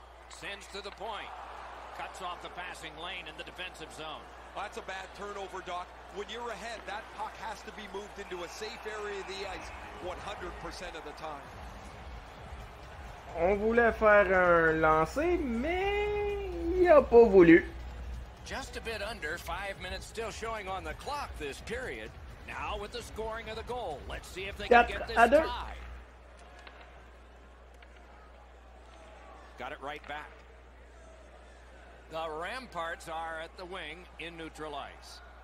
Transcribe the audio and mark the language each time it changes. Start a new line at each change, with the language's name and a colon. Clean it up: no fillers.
English: Sends to the point. Cuts off the passing lane in the defensive zone. That's a bad turnover, Doc. When you're ahead, that puck has to be moved into a safe area of the ice 100% of the time.
French: On voulait faire un lancer, mais il a pas voulu.
English: Just a bit under 5 minutes still showing on the clock this period. Now with the scoring of the goal, let's see if they can get this tie. Got it right back. The Ramparts are at the wing in neutral ice.